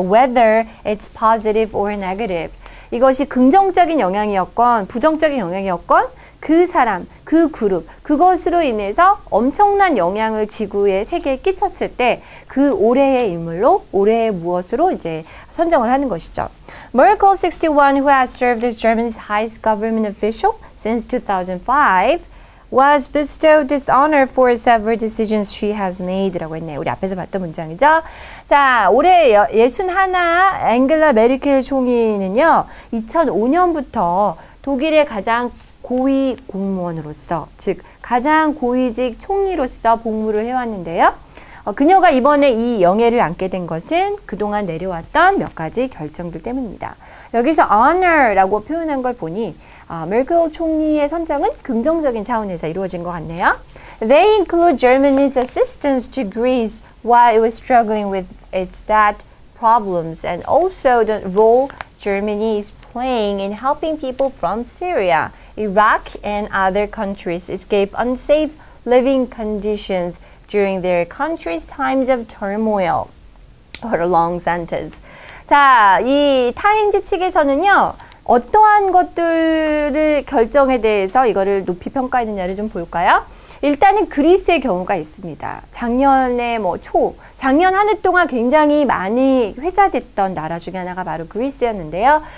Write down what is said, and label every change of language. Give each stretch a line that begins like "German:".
English: Whether it's positive or negative.
Korean: 이것이 긍정적인 영향이었건 부정적인 영향이었건 그 사람, 그 그룹, 그것으로 인해서 엄청난 영향을 지구의 세계에 끼쳤을 때 그 올해의 인물로, 올해의 무엇으로 이제 선정을 하는 것이죠.
English: Merkel 61, who has served as Germany's highest government official since 2005, was bestowed this honor for several decisions she has made.
Korean: 라고 했네요. 우리 앞에서 봤던 문장이죠. 자, 올해 61 앵글라 메르켈 총리는요, 2005년부터 독일의 가장 고위 공무원으로서, 즉 가장 고위직 총리로서 복무를 해왔는데요. 그녀가 이번에 이 영예를 안게 된 것은 그동안 내려왔던 몇 가지 결정들 때문입니다. 여기서 honor라고 표현한 걸 보니 메르켈 총리의 선정은 긍정적인 차원에서 이루어진 것 같네요.
English: They include Germany's assistance to Greece while it was struggling with its debt problems and also the role Germany is playing in helping people from Syria, Iraq and other countries escape unsafe living conditions during their country's times of turmoil. What a long sentence.
Korean: 자, 이 타임즈 측에서는요, 어떠한 것들을 결정에 대해서 이거를 높이 평가했느냐를 좀 볼까요? 일단은 그리스의 경우가 있습니다. 작년에 뭐 초, 작년 한 해 동안 굉장히 많이 회자됐던 나라 중에 하나가 바로 그리스였는데요.